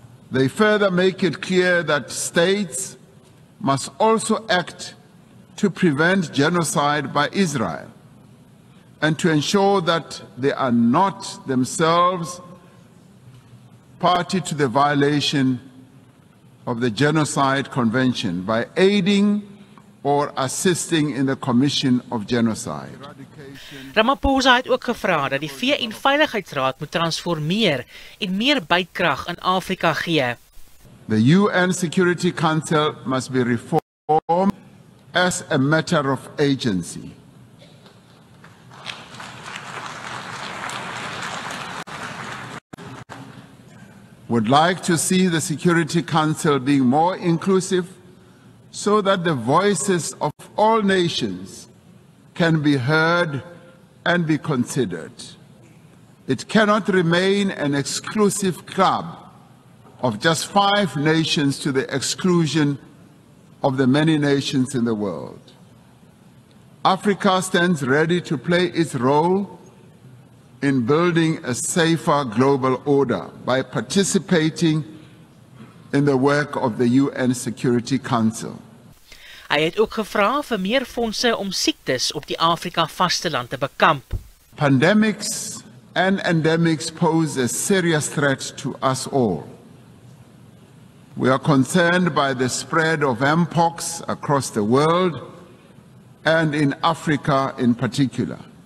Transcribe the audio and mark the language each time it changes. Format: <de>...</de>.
<en>They further make it clear that states must also act to prevent genocide by Israel and to ensure that they are not themselves party to the violation of the Genocide Convention by aiding or assisting in the commission of genocide.</en> <af>Ramaphosa het ook gevra dat die VN Veiligheidsraad moet transformeer en meer bytkrag in Afrika gee.</af> <en>The UN Security Council must be reformed as a matter of agency. Would like to see the Security Council being more inclusive so that the voices of all nations can be heard and be considered. It cannot remain an exclusive club of just five nations to the exclusion of the many nations in the world. Africa stands ready to play its role in building a safer global order by participating in the work of the UN Security Council.</en> <af>Hy het ook gevra vir meer fondse om siektes op die Afrika vasteland te bekamp.</af> <en>Pandemics and endemics pose a serious threat to us all. We are concerned by the spread of mpox across the world and in Africa in particular.</en>